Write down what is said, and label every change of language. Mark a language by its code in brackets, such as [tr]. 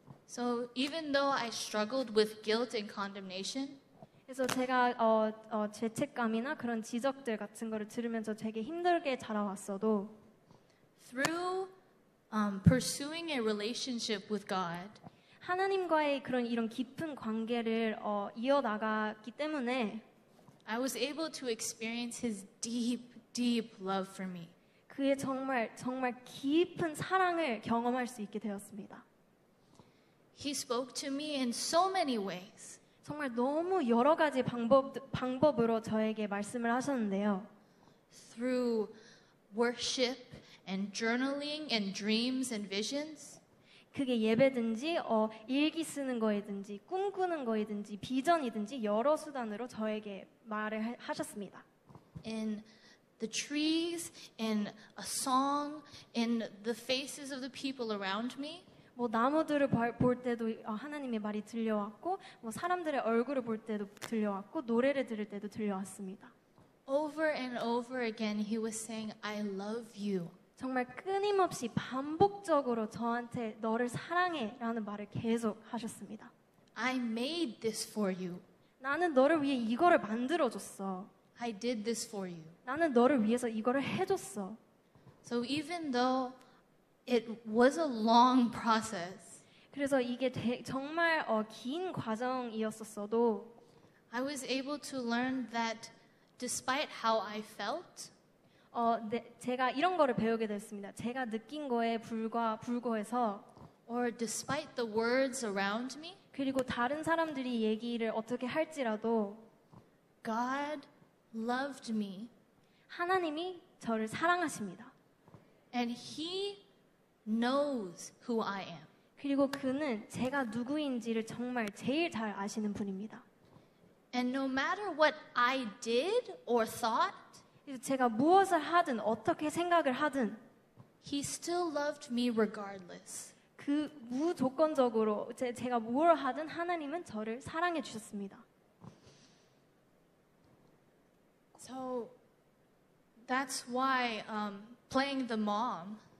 [en] So even though I struggled with guilt and condemnation. [ko] 그래서 제가 죄책감이나 그런 지적들 같은 거를 들으면서 되게 힘들게 자라왔어도 [en] through pursuing a relationship with God [ko] 하나님과의 그런 이런 깊은 관계를 이어나갔기 때문에 [en] I was able to experience his deep love for me. [ko] 그의 정말 깊은 사랑을 경험할 수 있게 되었습니다. [en] He spoke to me in so many ways. [ko] 정말 너무 여러 가지 방법으로 저에게 말씀을 하셨는데요. [en] Through worship and journaling and dreams and visions. [ko] 그게 예배든지 일기 쓰는 거이든지 꿈꾸는 거이든지 비전이든지 여러 수단으로 저에게 말을 하셨습니다. [en] In the trees, in a song, in the faces of the people around me. [ko] 뭐 나무들을 볼 때도 하나님의 말이 들려왔고 뭐 사람들의 얼굴을 볼 때도 들려왔고 노래를 들을 때도 들려왔습니다. [en] Over and over again he was saying I love you. [ko] 정말 끊임없이 반복적으로 저한테 너를 사랑해라는 말을 계속 하셨습니다. [en] I made this for you. [ko] 나는 너를 위해 이거를 만들어 줬어. [en] I did this for you. [ko] 나는 너를 위해서 이거를 해 줬어. [en] So even though it was a long process. [ko] 그래서 이게 정말 긴 과정이었었어도 [en] I was able to learn that despite how I felt. [ko] 제가 이런 거를 배우게 됐습니다. 제가 느낀 거에 불과해서 [en] or despite the words around me. [ko] 그리고 다른 사람들이 얘기를 어떻게 할지라도 [en] God loved me. [ko] 하나님이 저를 사랑하십니다. [en] And he knows who I am. [ko] 그리고 그는 제가 누구인지를 정말 제일 잘 아시는 분입니다. [en] And no matter what I did or thought, [ko] 제가 무엇을 하든 어떻게 생각을 하든 [en] he still loved me regardless. [ko] 그 무조건적으로 제가 뭘 하든 하나님은 저를 사랑해 주셨습니다. [en] So that's why playing the mom